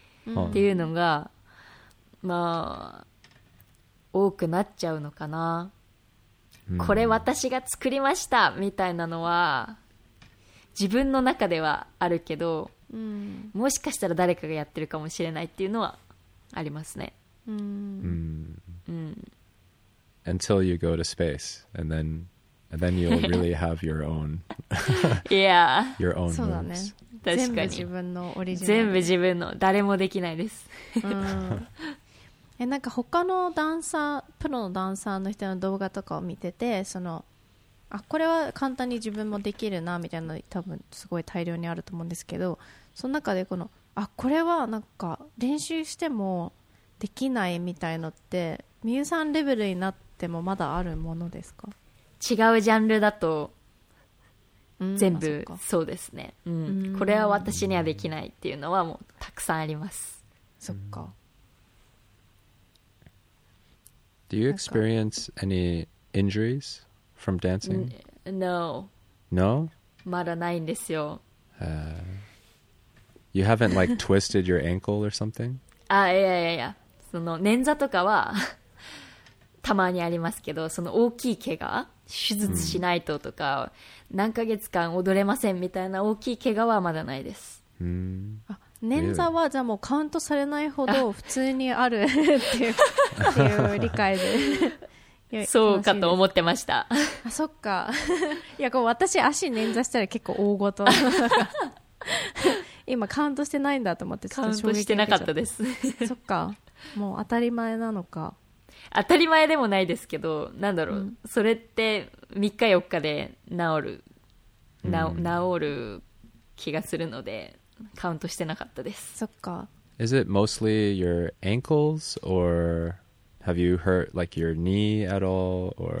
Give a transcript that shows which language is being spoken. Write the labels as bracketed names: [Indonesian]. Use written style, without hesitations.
[Japanese] っていうのが、まあ多くなっちゃうのかな。これ私が作りましたみたいなのは自分の中ではあるけど、うん、もしかしたら誰かがやってるかもしれないっていうのはありますね。うん、うん、 [English] Until you go to space and then you'll really have your own yeah your own [Japanese] そうだね。確かに全部自分のオリジナル、全部自分の、誰もできないです、うん、なんか他のダンサープロのダンサーの人の動画とかを見てて、そのあこれは簡単に自分もできるなみたいなの多分すごい大量にあると思うんですけど、その中でこのあこれはなんか練習してもできないみたいのってミュウさんレベルになってもまだあるものですか？違うジャンルだと全部そうですね、うん、これは私にはできないっていうのはもうたくさんあります。そっか。 [English] Do you experience any injuries from dancing? No. No? [Japanese] まだないんですよ。 [English] You haven't like twisted your ankle or something? [Japanese] あ、いやいやいや、その捻挫とかはたまにありますけど、その大きい怪我、手術しないととか、うん、何ヶ月間踊れませんみたいな大きい怪我はまだないです。捻挫はじゃあもうカウントされないほど普通にあるっていう理解でそうかと思ってました。あ、そっか。いや、こう私足捻挫したら結構大ごと今カウントしてないんだと思って、ちょっと衝撃。カウントしてなかったです。そっか、もう当たり前なのか。当たり前でもないですけど、なんだろう、うん、それって3日4日で治る気がするのでカウントしてなかったです。そっか。 [English] Is it mostly your ankles or have you hurt like your knee at all or